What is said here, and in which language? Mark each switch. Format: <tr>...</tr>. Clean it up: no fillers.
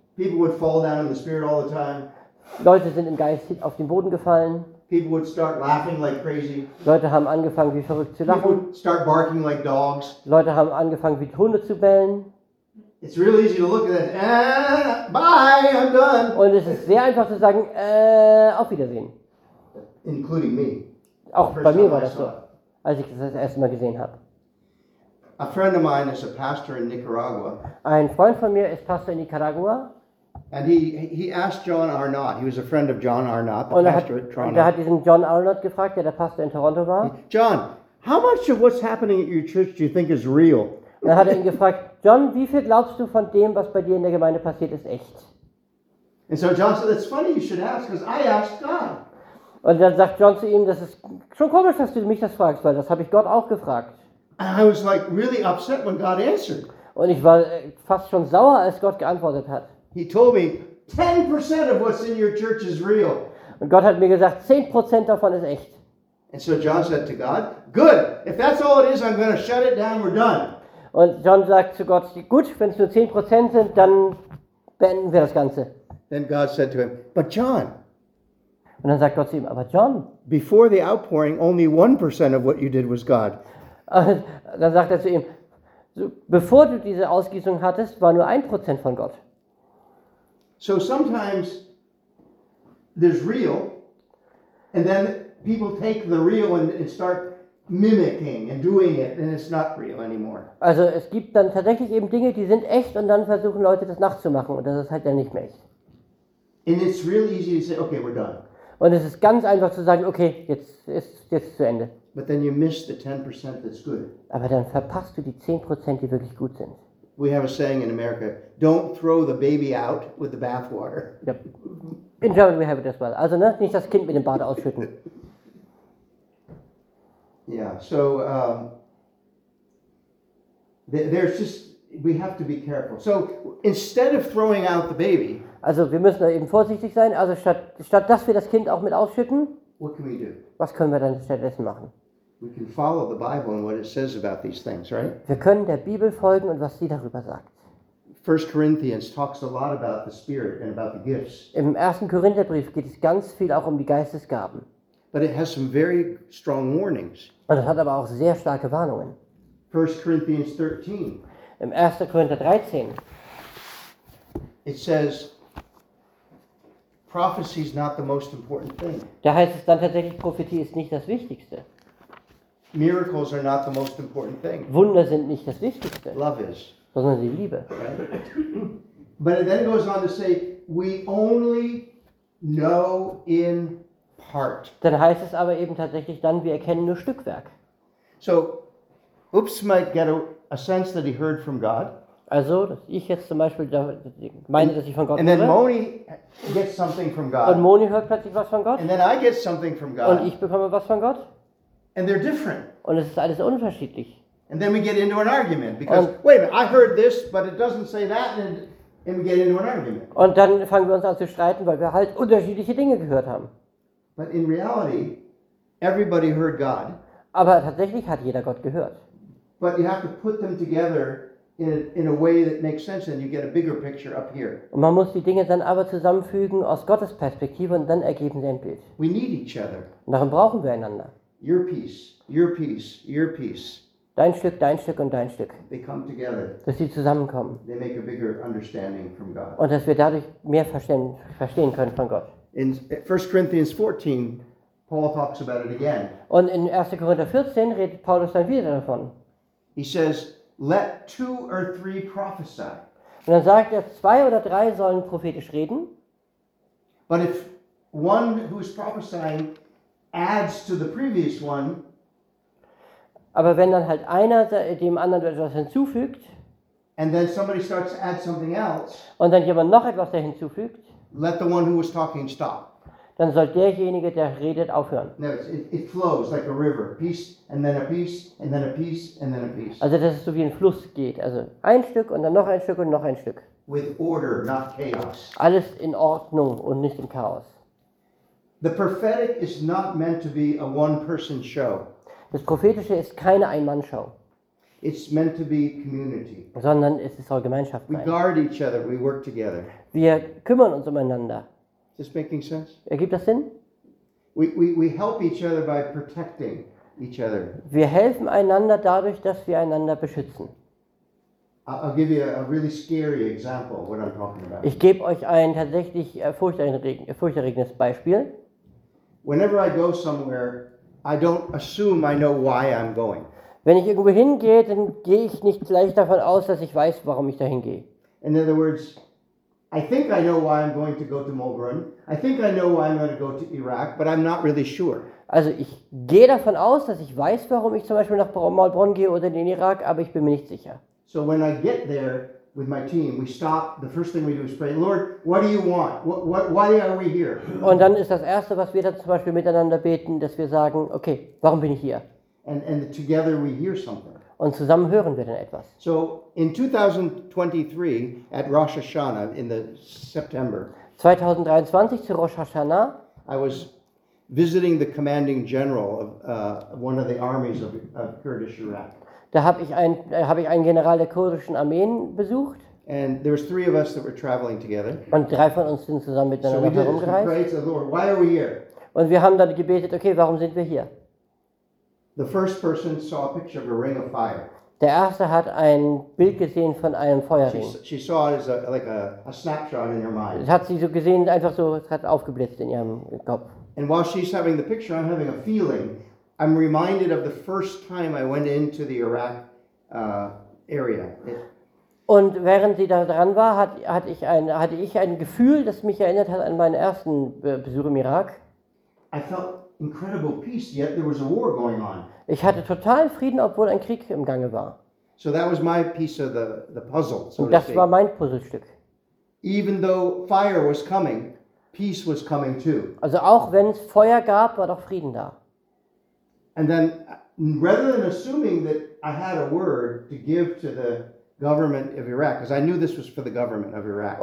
<en>People would fall down in the spirit all the time.</en> <de>Leute sind im Geist auf den Boden gefallen.</de> <en>People would start laughing like crazy.</en> <de>Leute haben angefangen wie verrückt zu lachen.</de> <en>People would start barking like dogs.</en> <de>Leute haben angefangen wie Hunde zu bellen.</de> <en>It's really easy to look at that. Bye, I'm done.</en> <de>Und es ist sehr einfach zu sagen, auf Wiedersehen.</de> <en>Including me.</en> <de>Auch bei mir war das so, als ich das erste Mal gesehen habe.</de> <en>A friend of mine is a pastor in Nicaragua.</en> <de>Ein Freund von mir ist Pastor in Nicaragua.</de> <en>And he asked John Arnott. He was a friend of John Arnott, the</en> <de>und</de> <en>pastor at Toronto.</en> <de>Er hat diesen John Arnott gefragt, der Pastor in Toronto war.</de> <en>John, how much of what's happening at your church do you think is real?</en> <de>Dann hat er ihn gefragt, John, wie viel glaubst du von dem, was bei dir in der Gemeinde passiert, ist echt?</de> <en>And so John said, it's funny you should ask, because I asked God.</en> <de>Und dann sagt John zu ihm, das ist schon komisch, dass du mich das fragst, weil das habe ich Gott auch gefragt.</de> <en>And I was like really upset when God answered.</en> <de>Und ich war fast schon sauer, als Gott geantwortet hat.</de> <en>He told me 10% of what's in your church is real.</en> <de>Und Gott hat mir gesagt, 10% davon ist echt.</de> <en>And so John said to God, good. If that's all it is, I'm going to shut it down. We're done.</en> <de>Und John sagt zu Gott, gut, wenn es nur 10% sind, dann beenden wir das Ganze.</de> <en>Then God said to him, but John.</en> <de>Und dann sagt Gott zu ihm, aber John.</de> <en>Before the outpouring, only 1% of what you did was God.</en> <de>Dann sagt er zu ihm, so, bevor du diese Ausgießung hattest, war nur 1% von Gott.</de> <en>So sometimes there's real and then people take the real and start mimicking and doing it and it's not real anymore.</en> <de>Also es gibt dann tatsächlich eben Dinge, die sind echt und dann versuchen Leute das nachzumachen und das ist halt dann nicht mehr echt.</de> <en>And it's real easy to say, okay, we're done.</en> <de>Und es ist ganz einfach zu sagen, okay, jetzt ist zu Ende.</de> <en>But then you miss the 10% that's good.</en> <de>Aber dann verpasst du die 10%, die wirklich gut sind.</de> <en>We have a saying in America, don't throw the baby out with the bathwater. Yep. In German we have it as well.</en> <de>Also, ne? Nicht das Kind mit dem Bad ausschütten.</de> <en>Yeah, so there's just, we have to be careful. So instead of throwing out the baby,</en> <de>also wir müssen da eben vorsichtig sein, also statt dass wir das Kind auch mit ausschütten,</de> <en>what can we do?</en> <de>Was können wir dann stattdessen machen?</de> <en>We can follow the Bible and what it says about these things, right?</en> <de>Wir können der Bibel folgen und was sie darüber sagt.</de> <en>1 Corinthians talks a lot about the spirit and about the gifts.</en> <de>Im 1. Korintherbrief geht es ganz viel auch um die Geistesgaben.</de> <en>But it has some very strong warnings.</en> <de>Und es hat aber auch sehr starke Warnungen.</de> <en>1 Corinthians 13.</en> <de>Im 1. Korinther 13.</de> <en>It says prophecy is not the most important thing.</en> <de>Da heißt es dann tatsächlich, Prophetie ist nicht das Wichtigste.</de> <en>Miracles are not the most important thing.</en> <de>Wunder sind nicht das Wichtigste.</de> <en>Love is.</en> <de>Sondern die Liebe.</de> <en>Right? But it then goes on to say, we only know in part.</en> <de>Dann heißt es aber eben tatsächlich dann, wir erkennen nur Stückwerk.</de> <en>So, Oops might get a sense that he heard from God.</en> <de>Also, dass ich jetzt zum Beispiel meine, dass ich von Gott höre.</de> <en>And then Moni gets something from God.</en> <de>Und Moni hört plötzlich was von Gott.</de> <en>And then I get something from God.</en> <de>Und ich bekomme was von Gott.</de> <en>And they're different.</en> <de>Und es ist alles unterschiedlich.</de> <en>And then we get into an argument because wait a minute, I heard this, but it doesn't say that, and we get into an argument.</en> <de>Und dann fangen wir uns an zu streiten, weil wir halt unterschiedliche Dinge gehört haben.</de> <en>But in reality, everybody heard God.</en> <de>Aber tatsächlich hat jeder Gott gehört.</de> <en>But you have to put them together in a way that makes sense, and you get a bigger picture up here.</en> <de>Und man muss die Dinge dann aber zusammenfügen aus Gottes Perspektive und dann ergeben sie ein Bild.</de> <en>We need each other.</en> <de>Und darum brauchen wir einander.</de> <en>Your piece, your piece, your piece.</en> <de>Dein Stück und dein Stück.</de> <en>They come together.</en> <de>Dass sie zusammenkommen.</de> <en>They make a bigger understanding from God.</en> <de>Und dass wir dadurch mehr verstehen können von Gott.</de> <en>In 1 Corinthians 14, Paul talks about it again.</en> <de>Und in 1. Korinther 14 redet Paulus dann wieder davon.</de> <en>He says, let two or three prophesy.</en> <de>Und dann sagt er, zwei oder drei sollen prophetisch reden.</de> <en>But if one who is prophesying adds to the previous one.</en> <de>Aber wenn dann halt einer dem anderen etwas hinzufügt,</de> <en>and then somebody starts to add something else,</en> <de>und dann jemand noch etwas da hinzufügt,</de> <en>let the one who was talking stop.</en> <de>Dann soll derjenige, der redet, aufhören.</de> <en>No, it flows like a river, piece and then a piece and then a piece and then a piece.</en> <de>Also dass es so wie ein Fluss geht, also ein Stück und dann noch ein Stück und noch ein Stück.</de> <en>With order, not chaos.</en> <de>Alles in Ordnung und nicht im Chaos.</de> <en>The prophetic is not meant to be a one-person show.</en> <de>Das Prophetische ist keine Ein-Mann-Show.</de> <en>It's meant to be community.</en> <de>Sondern es soll Gemeinschaft sein.</de> <en>We guard each other, we work together.</en> <de>Wir kümmern uns umeinander.</de> <en>Is this making sense?</en> <de>Ergibt das Sinn?</de> <en>We help each other by protecting each other.</en> <de>Wir helfen einander dadurch, dass wir einander beschützen.</de> <en>I'll give you a really scary example of what I'm talking about.</en> <de>Ich gebe euch ein tatsächlich furchterregendes Beispiel.</de> <en>Whenever I go somewhere, I don't assume I know why I'm going.</en> <de>Wenn ich irgendwo hingehe, dann gehe ich nicht gleich davon aus, dass ich weiß, warum ich dahin gehe.</de> <en>In other words, I think I know why I'm going to go to Melbourne. I think I know why I'm going to go to Iraq, but I'm not really sure.</en> <de>Also ich gehe davon aus, dass ich weiß, warum ich zum Beispiel nach Melbourne gehe oder in den Irak, aber ich bin mir nicht sicher.</de> <en>So when I get there with my team, we stop. The first thing we do is pray, Lord, what do you want? Why are we here?</en> <de>Und dann ist das Erste, was wir dann zum Beispiel miteinander beten, dass wir sagen, okay, warum bin ich hier?</de> <en>And together we hear something.</en> <de>Und zusammen hören wir dann etwas.</de> <en>So in 2023 at Rosh Hashanah in the September.</en> <de>2023 zu Rosh Hashanah.</de> <en>I was visiting the commanding general of one of the armies of Kurdish Iraq.</en> <de>Da habe ich einen General der kurdischen Armeen besucht.</de> <en>And there was three of us that were traveling together.</en> <de>Und drei von uns sind zusammen miteinander herumgereist.</de> <en>So we prayed to the Lord, why are we here?</en> <de>Und wir haben dann gebetet, okay, warum sind wir hier?</de> <en>The first person saw a picture of a ring of fire.</en> <de>Der erste hat ein Bild gesehen von einem Feuerring.</de> <en>She saw it as a snapshot in her mind.</en> <de>Das hat sie so gesehen, einfach so, es hat aufgeblitzt in ihrem Kopf.</de> <en>And while she's having the picture, I'm having a feeling. I'm reminded of the first time I went into the Iraq area.</en> <de>Und während sie da dran war, hatte ich ein Gefühl, das mich erinnert hat an meinen ersten Besuch im Irak.</de> <en>I felt incredible peace, yet there was a war going on.</en> <de>Ich hatte totalen Frieden, obwohl ein Krieg im Gange war.</de> <en>So that was my piece of the puzzle.</en> <de>So das war mein Puzzlestück.</de> <en>Even though fire was coming, peace was coming too.</en> <de>Also auch wenn es Feuer gab, war doch Frieden da.</de> <en>And then, rather than assuming that I had a word to give to the government of Iraq, because I knew this was for the government of Iraq.</en>